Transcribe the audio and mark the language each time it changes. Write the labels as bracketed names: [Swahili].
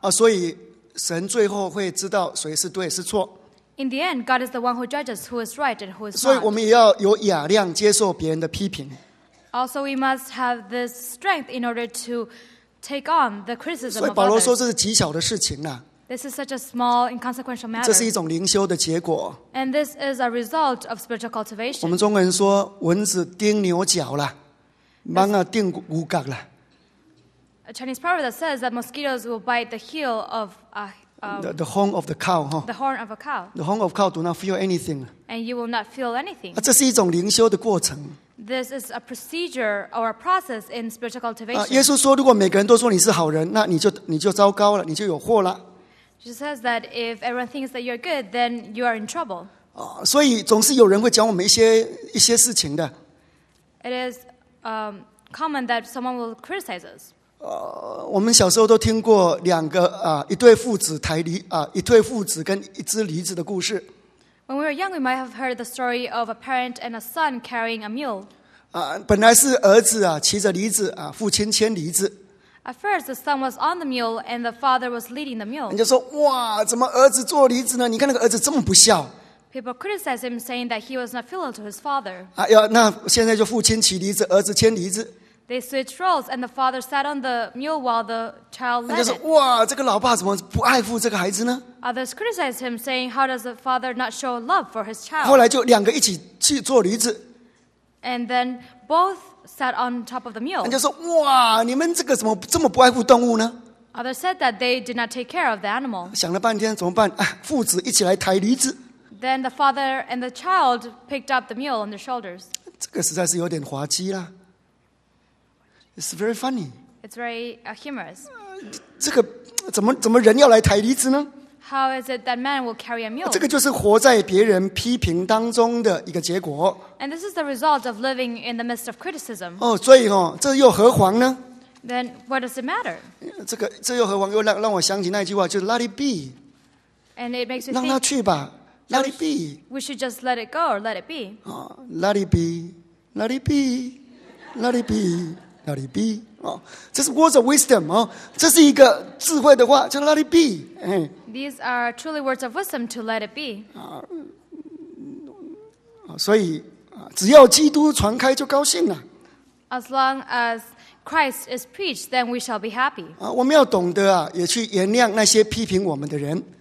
[Chinese] 所以神最后会知道谁是对是错。 [English] In the end, God is the one who judges who is right and who is not. [Chinese] 所以我们也要有雅量接受别人的批评。 [English] Also, we must have this strength in order to take on the criticism. [Chinese] 所以保罗说这是极小的事情呢。 [English] This is such a small, inconsequential matter. [Chinese] 这是一种灵修的结果。 [English] And this is a result of spiritual cultivation. [Chinese] 我们中国人说蚊子叮牛角了，蚊子叮牛角了。 [English] A Chinese proverb that says that mosquitoes will bite the heel of a the horn of the cow, huh? The horn of a cow. The horn of cow do not feel anything. And you will not feel anything. [Chinese] 这是一种灵修的过程。 [English] This is a procedure or a process in spiritual cultivation. [Chinese] 耶稣说，如果每个人都说你是好人，那你就糟糕了，你就有祸了。 [English] Jesus says that if everyone thinks that you're good, then you are in trouble. [Chinese] 所以总是有人会讲我们一些事情的。 [English] It is common that someone will criticize us. [Chinese] 我们小时候都听过两个一对父子抬驴一对父子跟一只驴子的故事。 [English] When we were young, we might have heard the story of a parent and a son carrying a mule. [Chinese] 本来是儿子骑着驴子父亲牵驴子。 [English] At first, the son was on the mule and the father was leading the mule. [Chinese] 人家说哇，怎么儿子坐驴子呢？你看那个儿子这么不孝。 [English] People criticized him, saying that he was not filial to his father. [Chinese] 那现在就父亲骑驴子，儿子牵驴子。 [English] They switched roles, and the father sat on the mule while the child led. [Chinese] 人家说：“哇，这个老爸怎么不爱护这个孩子呢？” [English] Others criticized him, saying, "How does the father not show love for his child?" [Chinese] 后来就两个一起去坐驴子。 [English] And then both sat on top of the mule. [Chinese] 人家说：“哇，你们这个怎么这么不爱护动物呢？” [English] Others said that they did not take care of the animal. [Chinese] 想了半天怎么办？父子一起来抬驴子。 [English] Then the father and the child picked up the mule on their shoulders. [Chinese] 这个实在是有点滑稽啦。 [English] It's very funny. It's very humorous. [Chinese] 这个怎么人要来抬驴子呢？ [English] How is it that man will carry a mule? [Chinese] 这个就是活在别人批评当中的一个结果。 [English] And this is the result of living in the midst of criticism. [Chinese] 所以这又何妨呢？ [English] Then what does it matter? [Chinese] 这又何妨？又让我想起那句话，就是 [English] Let it be. And it makes me think. [Chinese] 让它去吧 ， [English] Let it be. We should just let it go or let it be. Let it be, let it be, let it be. Let it be. [Chinese] 这是 [English] words of wisdom. [Chinese] 这是一个智慧的话，叫 let it be. [English] These are truly words of wisdom to let it be. [Chinese] 所以只要基督传开就高兴了。 [English] As long as Christ is preached, then we shall be happy. [Chinese] 我们要懂得也去原谅那些批评我们的人。